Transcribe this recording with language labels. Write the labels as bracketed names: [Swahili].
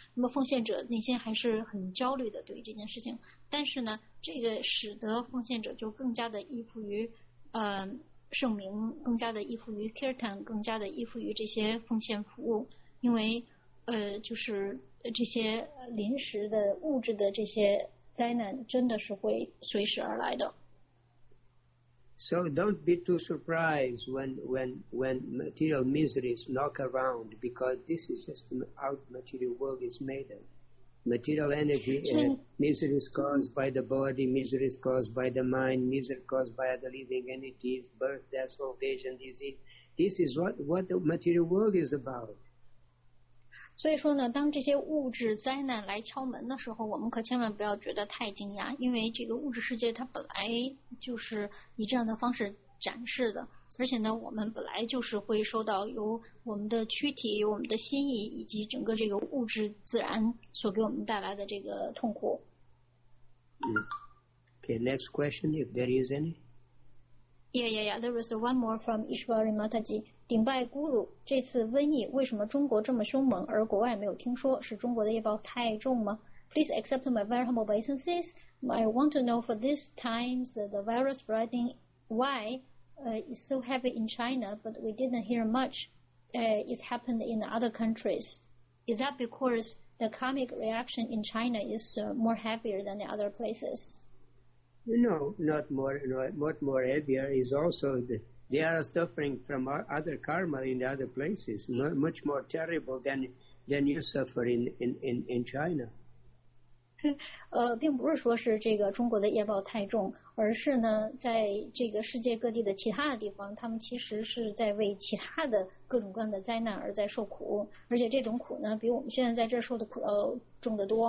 [Chinese] 那么奉献者内心还是很焦虑的对于这件事情，但是呢，这个使得奉献者就更加的依附于圣名，更加的依附于 kirtan， 更加的依附于这些奉献服务，因为。就是这些临时的物质的这些灾难真的是会随时而来的。 [English] So don't be too surprised when material miseries knock around, because this is just how material world is made of. Material energy, misery is caused by the body, misery is caused by the mind, misery caused by other living entities, birth, death, old age and disease. This is what the material world is about. [Chinese] 所以说呢，当这些物质灾难来敲门的时候，我们可千万不要觉得太惊讶，因为这个物质世界它本来就是以这样的方式展示的，而且呢，我们本来就是会受到由我们的躯体、由我们的心意以及整个这个物质自然所给我们带来的这个痛苦。 [English] Okay, next question, if there is any. Yeah, there is one more from Ishwari Mataji. [Chinese] 顶拜孤乳，这次瘟疫为什么中国这么凶猛，而国外没有听说？是中国的业报太重吗 ？ [English] Please accept my very humble obeisances. I want to know for these times the virus spreading, why is so heavy in China, but we didn't hear much. It's happened in other countries. Is that because the karmic reaction in China is more heavier than the other places? No, not more. Not more heavier is also the. They are suffering from other karma in the other places, much more terrible than you suffer in China. [Chinese] 并不是说是这个中国的业报太重，而是呢，在这个世界各地的其他的地方，他们其实是在为其他的各种各样的灾难而在受苦，而且这种苦呢，比我们现在在这受的苦重得多。